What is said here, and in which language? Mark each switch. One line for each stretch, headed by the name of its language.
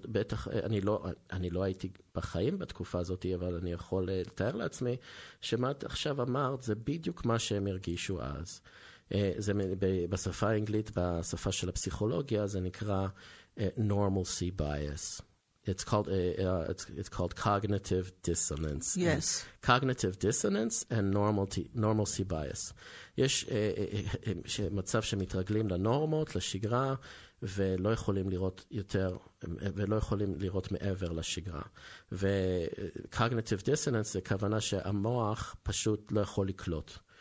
Hebrew: בטח, אני לא הייתי בחיים בתקופה הזאת, אבל אני יכול לתאר לעצמי שמה עכשיו אמרת, זה בדיוק מה שהם הרגישו אז. זה בשפה האנגלית, בשפה של הפסיכולוגיה, זה נקרא normalcy bias.
English: It's called cognitive dissonance. Yes. Cognitive dissonance and normalcy bias.
Hebrew: יש מצב שמתרגלים לנורמות, לשגרה, ולא יכולים לראות יותר, ולא יכולים לראות מעבר לשגרה. וcognitive dissonance זה כוונה שהמוח פשוט לא יכול לקלוט.